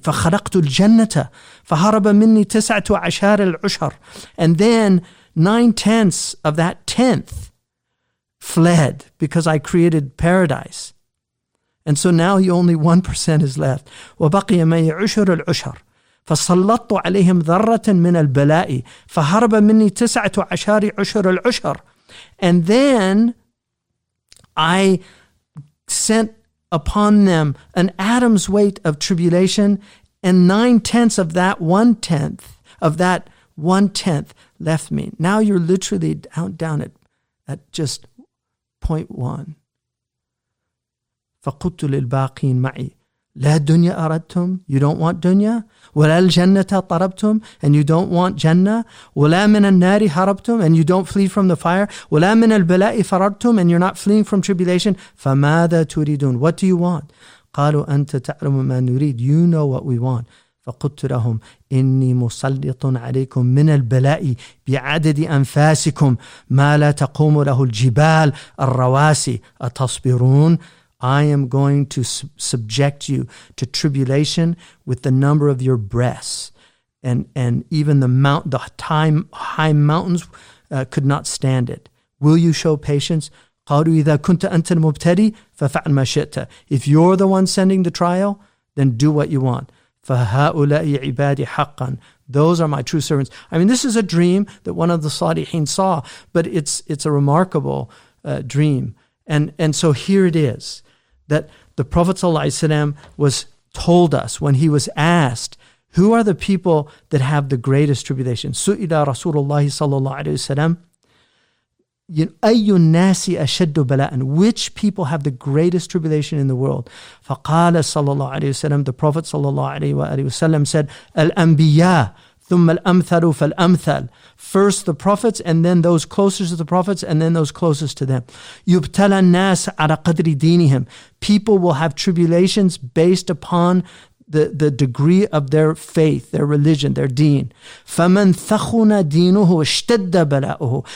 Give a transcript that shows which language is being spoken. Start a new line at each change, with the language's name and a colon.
Arabic: فَخَلَقْتُ الْجَنَّةَ فَهَرَبَ مِنِّي تِسْعَةُ عَشَارِ الْعُشَرِ.
English: And then 9/10 of that 10th fled because I created paradise. And so now you only 1% is left.
Arabic: وَبَقِي مَعْيَ عُشَرُ الْعُشَرِ. فسلطت عليهم ذرة من البلاء فهرب مني تسعة عشر عشر العشر.
English: And then I sent upon them an atom's weight of tribulation, and 9/10 of that 1/10 of that 1/10 left me. Now you're literally down at just 0.1.
Arabic: فقلت للباقين معي لا دنيا أردتم.
English: You don't want dunya.
Arabic: ولا الجنة طربتم.
English: And you don't want جنة.
Arabic: ولا من النار هربتم.
English: And you don't flee from the fire.
Arabic: ولا من البلاء فررتم.
English: And you're not fleeing from tribulation.
Arabic: فماذا تريدون.
English: What do you want?
Arabic: قالوا أنت تعلم ما نريد.
English: You know what we want.
Arabic: فقلت لهم إني مسلط عليكم من البلاء بعدد أنفاسكم ما لا تقوم له الجبال الرواسي أتصبرون.
English: I am going to subject you to tribulation with the number of your breasts. And even the high mountains could not stand it. Will you show patience?
Arabic: قَالُوا إِذَا كُنْتَ أَنْتَ الْمُبْتَدِي فَفَعْلْ مَا شِئْتَ.
English: If you're the one sending the trial, then do what you want.
Arabic: فَهَؤُلَاءِ عِبَادِ حَقًّا.
English: Those are my true servants. I mean, this is a dream that one of the Salihin saw, but it's a remarkable dream. And so here it is, that the Prophet ﷺ was told us when he was asked, who are the people that have the greatest tribulation?
Arabic: سُئِلَ رَسُولُ اللَّهِ صَلَّى اللَّهُ عَلَيْهِ وَسَلَّمَ أَيُّ النَّاسِ أَشَدُّ بَلَاءً.
English: Which people have the greatest tribulation in the world?
Arabic: فَقَالَ صَلَّى اللَّهُ عَلَيْهِ وَسَلَّمَ.
English: The Prophet ﷺ said,
Arabic: الأنبياء ثُمَّ الْأَمْثَلُ فَالْأَمْثَلُ.
English: First the prophets, and then those closest to the prophets, and then those closest to them.
Arabic: يُبْتَلَى النَّاسَ عَلَى قَدْرِ دِينِهِمْ.
English: People will have tribulations based upon the degree of their faith, their religion, their deen.
Arabic: فَمَنْ ثَخُنَ دِينُهُ اشْتَدَّ بَلَاؤُهُ.